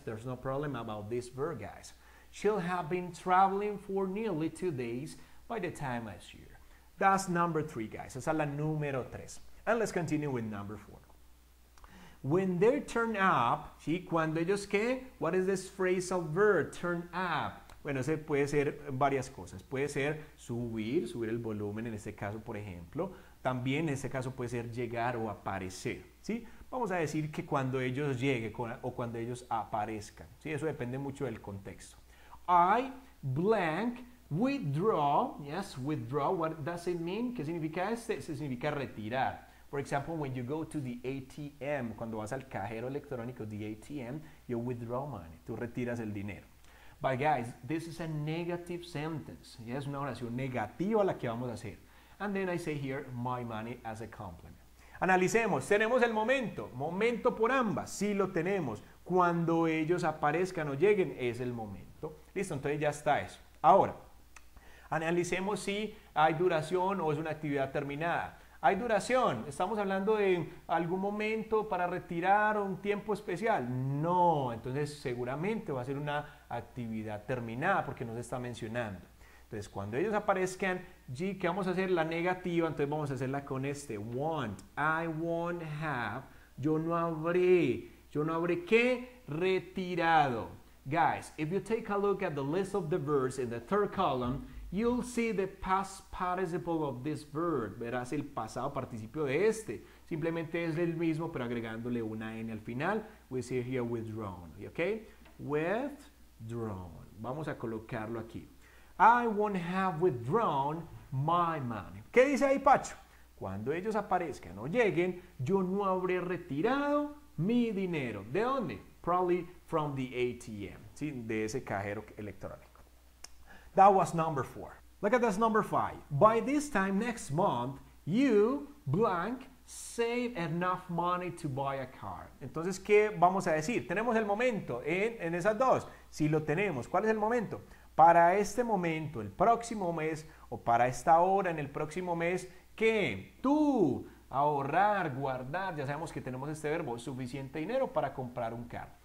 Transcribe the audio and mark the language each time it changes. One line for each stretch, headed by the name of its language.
English: There's no problem about this verb, guys. She'll have been traveling for nearly 2 days by the time I see her. That's number 3, guys.
Spanish: Esa es la número 3.
English: And let's continue with number 4. When they turn up,
Spanish: ¿sí? Cuando ellos qué?
English: What is this phrasal verb? Turn up.
Spanish: Bueno, ese puede ser varias cosas. Puede ser subir el volumen, en este caso, por ejemplo. También, en este caso, puede ser llegar o aparecer, ¿sí? Vamos a decir que cuando ellos lleguen o cuando ellos aparezcan, ¿sí? Eso depende mucho del contexto.
English: I, blank, withdraw, yes, withdraw, what does it mean?
Spanish: ¿Qué significa este? Este significa retirar.
English: For example, when you go to the ATM,
Spanish: cuando vas al cajero electrónico,
English: the ATM, you withdraw money,
Spanish: tú retiras el dinero.
English: But guys, this is a negative sentence,
Spanish: ya es una oración negativa la que vamos a hacer.
English: And then I say here, my money as a compliment.
Spanish: Analicemos, tenemos el momento, momento por ambas, sí lo tenemos. Cuando ellos aparezcan o lleguen, es el momento. Listo, entonces ya está eso. Ahora, analicemos si hay duración o es una actividad terminada. ¿Hay duración? ¿Estamos hablando de algún momento para retirar o un tiempo especial? No, entonces seguramente va a ser una actividad terminada porque no se está mencionando. Entonces, cuando ellos aparezcan, ¿qué vamos a hacer? La negativa, entonces vamos a hacerla con este.
English: Won't, I won't have,
Spanish: yo no habré, ¿qué? Retirado.
English: Guys, if you take a look at the list of the verbs in the third column, You'll see the past participle of this verb.
Spanish: Verás el pasado participio de este. Simplemente es el mismo, pero agregándole una N al final.
English: We see here withdrawn. Okay? Withdrawn.
Spanish: Vamos a colocarlo aquí.
English: I won't have withdrawn my money.
Spanish: ¿Qué dice ahí, Pacho? Cuando ellos aparezcan o lleguen, yo no habré retirado mi dinero. ¿De dónde?
English: Probably from the ATM.
Spanish: ¿Sí? De ese cajero electrónico.
English: That was number four. Look at this number five. By this time next month, you, blank, save enough money to buy a car.
Spanish: Entonces, ¿qué vamos a decir? Tenemos el momento en esas dos. Si lo tenemos, ¿cuál es el momento? Para este momento, el próximo mes, o para esta hora en el próximo mes, ¿qué? Tú, ahorrar, guardar, ya sabemos que tenemos este verbo, suficiente dinero para comprar un car.